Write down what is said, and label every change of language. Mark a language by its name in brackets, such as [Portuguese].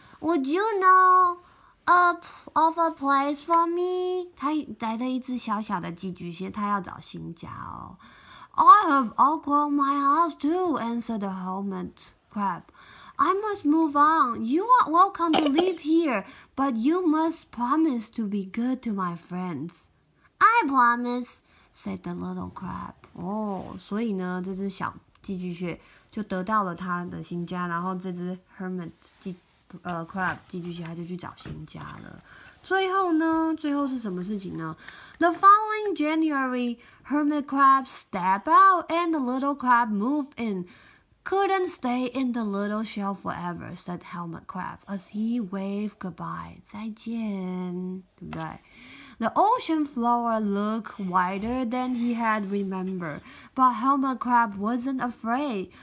[English] Would you know of a place for me? [Chinese] 她来了一只小小的寄居蟹，她要找新家哦。 [English] I have all grown my house too, answered the hermit crab. I must move on. You are welcome to live here, but you must promise to be good to my friends. I promise, said the little crab. [Chinese] 哦，所以呢，这只小寄居蟹就得到了他的新家，然后这只 hermit crab 寄居蟹他就去找新家了。最后呢，最后是什么事情呢？ [English] The following January, hermit crab stepped out and the little crab moved in. Couldn't stay in the little shell forever, said hermit crab as he waved goodbye. [Chinese] 再见，对不对？ [English] The ocean floor looked wider than he had remembered, but Hermit Crab wasn't afraid.